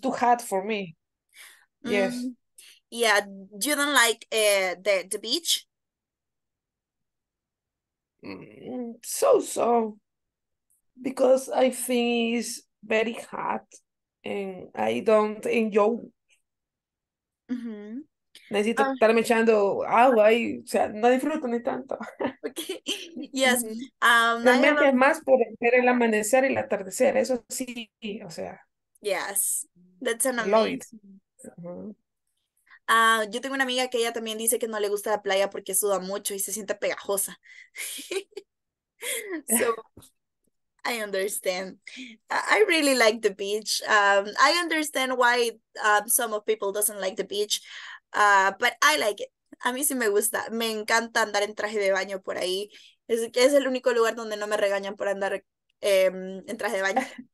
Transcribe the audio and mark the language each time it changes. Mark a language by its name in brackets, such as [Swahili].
[English] too hot for me. Yes. Yeah, you don't like the beach? So, because I think it's very hot and I don't enjoy. [Spanish] Necesito estarme echando agua y, o sea, no disfruto ni tanto. [English] Okay. Yes. I have [Spanish] Realmente a es más por ver el amanecer y el atardecer, eso sí, o sea, [English] Yes, that's an I love it. amazing. [Spanish] Yo tengo una amiga que ella también dice que no le gusta la playa porque suda mucho y se siente pegajosa. So, [English] I understand. I really like the beach. I understand why some of people doesn't like the beach, but I like it. [Spanish] A mí sí me gusta. Me encanta andar en traje de baño por ahí. Es el único lugar donde no me regañan por andar en traje de baño.